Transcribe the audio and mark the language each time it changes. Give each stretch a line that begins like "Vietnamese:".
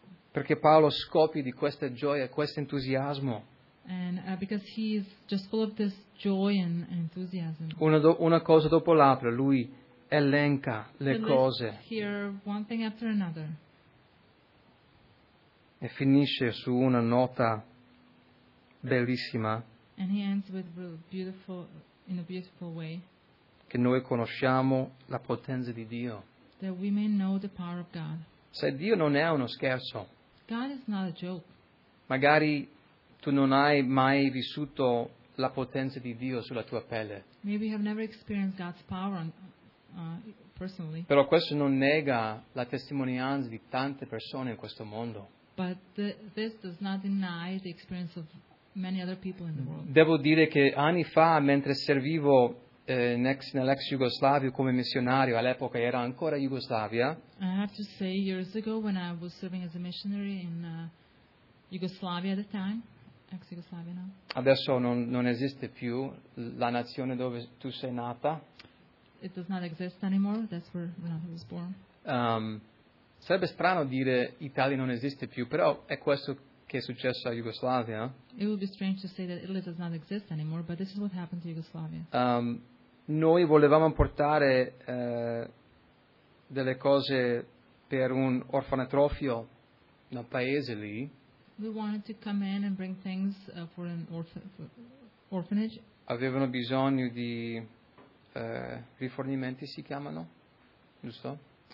Italian: Perché Paolo scoppia di questa gioia, questo entusiasmo.
English: And because he is just full of this joy and enthusiasm.
Italian: Una cosa dopo l'altra, lui elenca le cose.
English: Here one thing after another.
Italian: E finisce su una nota bellissima.
English: And he ends with beautiful, in a beautiful way.
Italian: Che noi conosciamo la potenza di Dio.
English: That we may know the power of God.
Italian: Se Dio non è uno scherzo.
English: God is not a joke.
Italian: Magari tu non hai mai vissuto la potenza di Dio sulla tua pelle.
English: Maybe you have never experienced God's power personally.
Italian: Però questo non nega la testimonianza di tante persone in questo mondo.
English: But this does not deny the experience of many other people in the world.
Italian: Devo dire che anni fa, mentre servivo nell'ex Yugoslavia come missionario, all'epoca era ancora Yugoslavia.
English: I have to say, years ago when I was serving as a missionary in Yugoslavia at the time, ex Yugoslavia now.
Italian: Adesso non esiste più la nazione dove tu sei nata.
English: It does not exist anymore. That's where Renato was born.
Italian: Sarebbe strano dire Italia non esiste più, però è questo che è successo a Yugoslavia.
English: It would be strange to say that Italy does not exist anymore, but this is what happened to Yugoslavia.
Italian: Noi volevamo portare delle cose per un orfanotrofio nel paese lì.
English: We wanted to come in and bring things for an orphanage.
Italian: Avevano bisogno di rifornimenti, si chiamano, giusto?